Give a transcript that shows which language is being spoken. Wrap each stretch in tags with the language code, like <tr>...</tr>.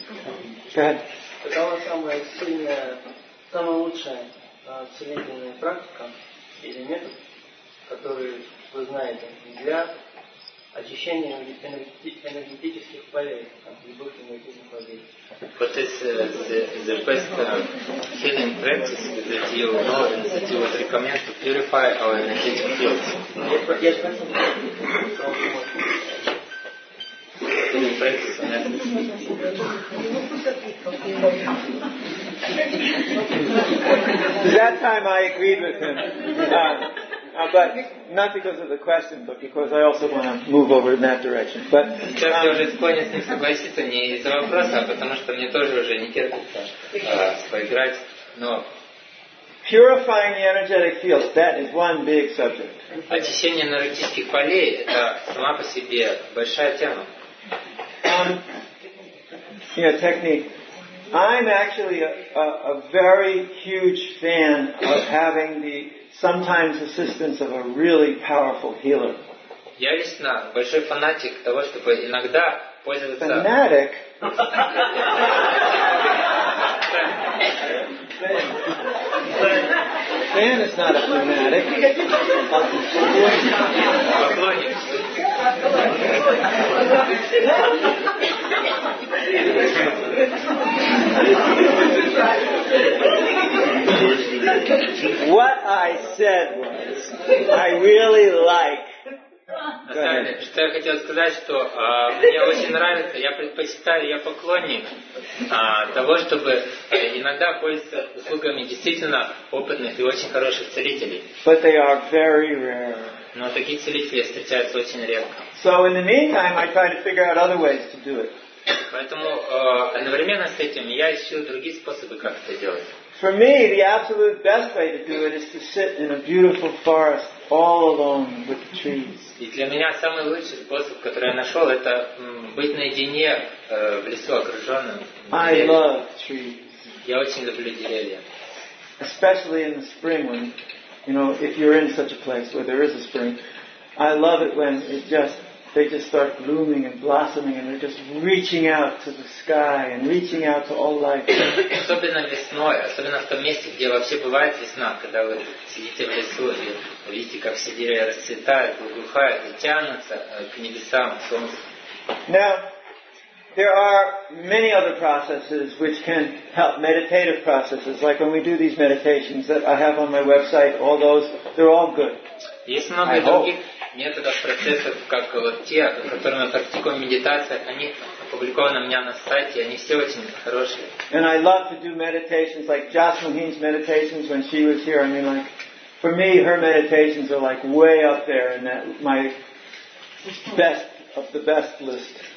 <ru>Какова самая сильная, самая лучшая целительная практика или метод, который вы знаете для очищения энергетических полей, там, любых энергетических полей?</ru> <en>What is the best healing practice that you know and that you would recommend to purify our energetic fields? Healing practice on energy. That time I agreed with him. But not because of the question, but because I also want to move over in that direction. But</en> <ru>сейчас я уже склонен с ним согласиться не из-за вопроса, а потому что мне тоже уже не терпится поиграть. Но</ru> <en>purifying the energetic field, that is one big subject.</en> <ru>Очищение энергетических полей – это сама по себе большая тема.</ru> <en>Yeah, technique. I'm actually a very huge fan of having the sometimes assistance of a really powerful healer.</en> <ru>Я лично большой фанатик того, чтобы иногда пользоваться.</ru> <en>Fanatic. Fan. fan is not a fanatic. What I said was, I really like.</en> <ru>Что я хотел сказать, что мне очень нравится, я предпочитаю, я поклонник того, чтобы иногда пользоваться услугами действительно опытных и очень хороших целителей.</ru> <en>But they are very rare.</en> <ru>Но такие целители встречаются очень редко.</ru> <en>So in the meantime, I try to figure out other ways to do it.</en> <ru>Поэтому одновременно с этим я ищу другие способы, как это делать.</ru> <en>For me, the absolute best way to do it is to sit in a beautiful forest all alone with the trees.</en> <ru>И для меня самый лучший способ, который я нашел, это быть наедине в лесу, окруженном деревьями.</ru> <en>I love trees.</en> <ru>Я очень люблю деревья.</ru> <en>Especially in the spring, when you know, if you're in such a place where there is a spring, I love it when it just they just start blooming and blossoming, and they're just reaching out to the sky and reaching out to all life.</en> <ru>Особенно весной, особенно в том месте, где вообще бывает весна, когда вы сидите в лесу и видите, как все деревья расцветают, благоухают и тянутся к небесам, к солнцу.</ru> <en>Now, there are many other processes which can help, meditative processes, like when we do these meditations that I have on my website, all those, they're all good.</en> <ru>Есть много других методов, процессов, как вот те, которые мы практикуем медитацию, они опубликованы у меня на сайте, они все очень хорошие.</ru> <en>And I love to do meditations like Jocelyn Heen's meditations when she was here. I mean, like, for me, her meditations are like way up there in that my best of the best list.</en>